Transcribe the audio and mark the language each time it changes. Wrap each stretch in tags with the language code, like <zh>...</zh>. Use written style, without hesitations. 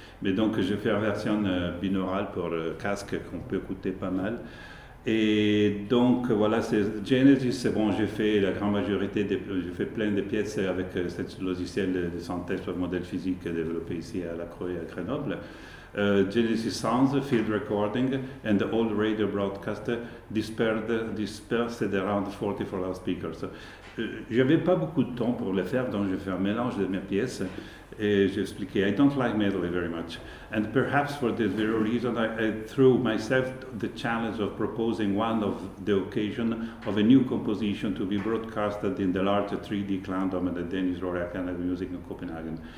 <fr>Mais donc, je fais une version binaurale pour le casque qu'on peut écouter pas mal. Et donc voilà, c'est Genesis, c'est bon, j'ai fait la grande majorité, j'ai fait plein de pièces avec ce logiciel de synthèse pour modèle physique développé ici à La Croix et à Grenoble.</fr> <en>Genesis Sounds, Field Recording, and the old radio broadcaster dispersed around 44 loudspeakers.</en> <fr>J'avais pas beaucoup de temps pour le faire, donc j'ai fait un mélange de mes pièces. Et j'expliquais,</fr> <en>I don't like medley very much. And perhaps for this very reason, I threw myself the challenge of proposing one of the occasion of a new composition to be broadcasted in the large 3D clown dome at the Danish Royal Academy of Music in Copenhagen.</en>